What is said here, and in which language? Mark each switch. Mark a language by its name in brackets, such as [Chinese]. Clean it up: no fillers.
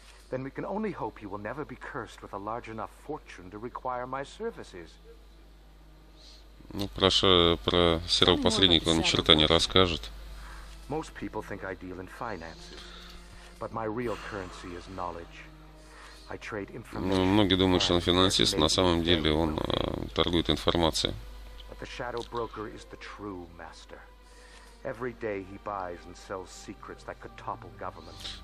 [English] Then we can only hope you will never be cursed with a large enough fortune to require my services. [Russian] Ну, про серого посредника он ни черта не расскажет. [English] Most people think I deal in finances, but my real currency is knowledge. I trade information. [Russian] Ну, многие думают, что он финансист, на самом деле он торгует информацией. [English] But the Shadow Broker is the true master. Every day he buys and sells secrets that could topple governments.